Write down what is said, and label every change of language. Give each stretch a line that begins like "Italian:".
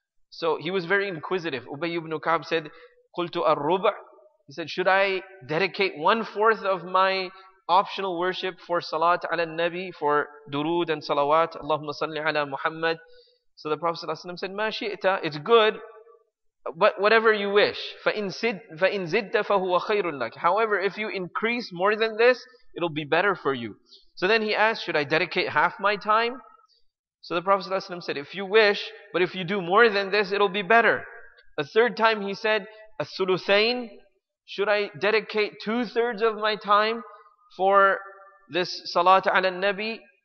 English: So he was very inquisitive. Ubay ibn Ka'b said,
Arabic: قُلْتُ الرُّبْعَ.
English: He said, should I dedicate one-fourth of my optional worship for Salat ala Nabi, for Durood and Salawat, Allahumma salli ala Muhammad? So the Prophet ﷺ said,
Arabic: مَا شِئْتَ.
English: It's good. But whatever you wish,
Arabic: فَإِن زِدَّ فَهُوَ خَيْرٌ لَكَ.
English: However, if you increase more than this, it'll be better for you. So then he asked, should I dedicate half my time? So the Prophet ﷺ said, if you wish, but if you do more than this, it'll be better. A third time he said,
Arabic: الثلثين.
English: Should I dedicate two-thirds of my time for this Salat ala Nabi?